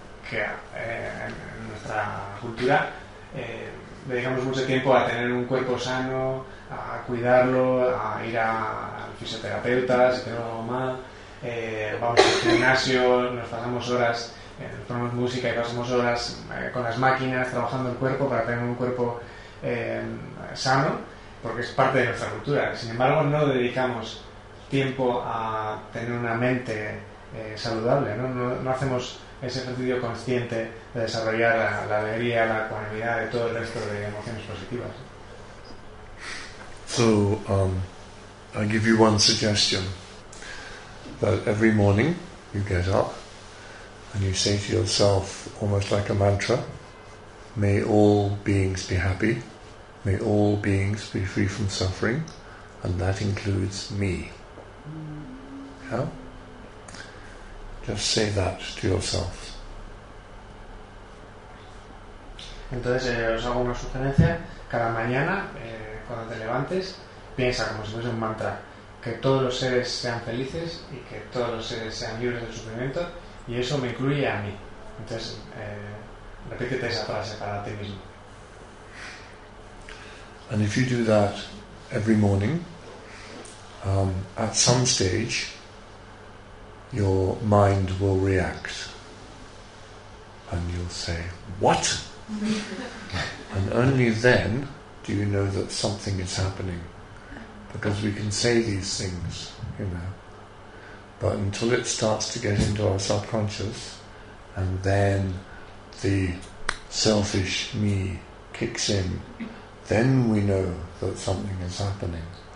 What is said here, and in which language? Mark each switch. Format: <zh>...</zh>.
<es>que en nuestra cultura dedicamos mucho tiempo a tener un cuerpo sano, a cuidarlo, a ir al fisioterapeuta si tenemos algo mal, vamos al gimnasio, nos pasamos horas, ponemos música y pasamos horas con las máquinas, trabajando el cuerpo para tener un cuerpo sano, porque es parte de nuestra cultura. Sin embargo, no dedicamos tiempo a tener una mente saludable, ¿no? No hacemos ese ejercicio consciente de desarrollar la alegría, la ecuanimidad y todo el resto de emociones positivas.</es> <en>So, I give you one suggestion, that every morning you get up and you say to yourself, almost like a mantra, may all beings be happy, may all beings be free from suffering, and that includes me. Yeah? Just say that to yourself.</en> <es>Entonces, os hago una sugerencia. Cada mañana, cuando te levantes, piensa como si fuese un mantra, que todos los seres sean felices y que todos los seres sean libres del sufrimiento, y eso me incluye a mí. Entonces, repítete esa frase para ti mismo.</es> <en>And if you do that every morning, at some stage, your mind will react, and you'll say, "What?" And only then do you know that something is happening, because we can say these things, you know, but until it starts to get into our subconscious, and then the selfish me kicks in, then we know that something is happening.</en>